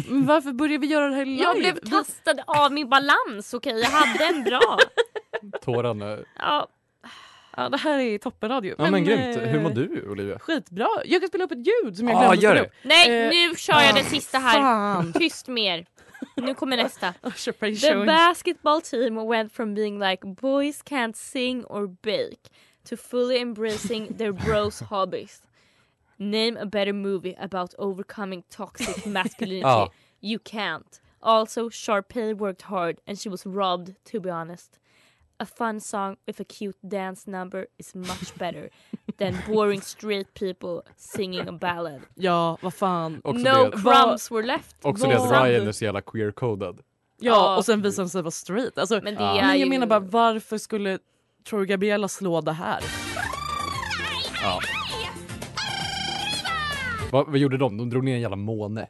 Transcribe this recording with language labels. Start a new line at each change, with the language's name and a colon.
Swedish: Men varför började vi göra det här live? Jag blev kastad av min balans, okej? Okay? Jag hade en bra. Tårarna. Ja. Ja, det här är toppenradio. Ja, men grymt. Hur mår du, Olivia? Skitbra. Jag kan spela upp ett ljud som jag glömde att spela upp. Nej, nu kör jag det sista här. Fan. Tyst mer. Nu kommer nästa.
English: The basketball team went from being like boys can't sing or bake to fully embracing their bros hobbies. Name a better movie about overcoming toxic masculinity. Oh. You can't. Also, Sharpay worked hard and she was robbed, to be honest. A fun song with a cute dance number is much better than boring straight people singing a ballad.
Swedish: Ja, vad fan. Också
English: no crumbs were left.
Swedish: Också det att Ryan är så jävla queer-coded. Ja, och sen visar han sig vara straight. Alltså, men jag menar bara, varför skulle Troy Gabriella slå det här? Ja. Oh. Vad gjorde de? De drog ner en jävla måne.